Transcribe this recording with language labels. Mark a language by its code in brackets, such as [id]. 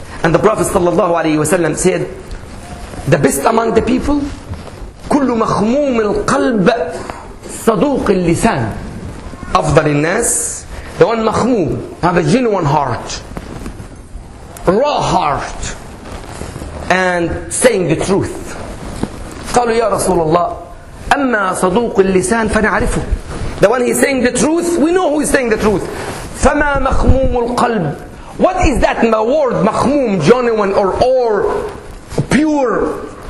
[en] And the Prophet sallallahu alayhi wa sallam said, the best among the people, [ar] كُلُّ مَخْمُومِ الْقَلْبَ صَدُوقِ اللِّسَانِ. أَفْضَلِ النَّاسِ [en] The one makhmoom, have a genuine heart, raw heart, and saying the truth. [ar] قالوا يا رسول الله أما صدوق اللسان فنعرفه. [en] The one he's saying the truth, we know who is saying the truth. [ar] فما مخموم القلب. [en] What is that word مخموم, genuine or pure?